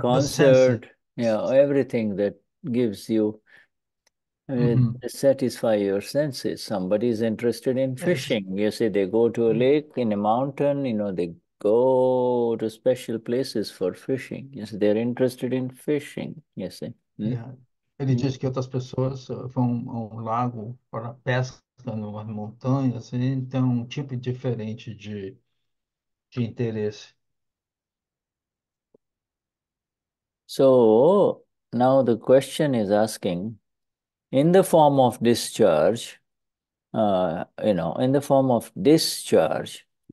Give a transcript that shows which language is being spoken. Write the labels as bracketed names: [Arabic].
[English] concert, you know, everything that gives you satisfy your senses. Somebody's interested in fishing, you see, they go to a lake in a mountain, you know, they go to special places for fishing, you see, they're interested in fishing, you see. [Portuguese] Ele diz que outras pessoas vão ao lago para pesca nas montanhas, então um tipo diferente de interesse. [English] So now the question is asking, in the form of discharge, in the form of discharge,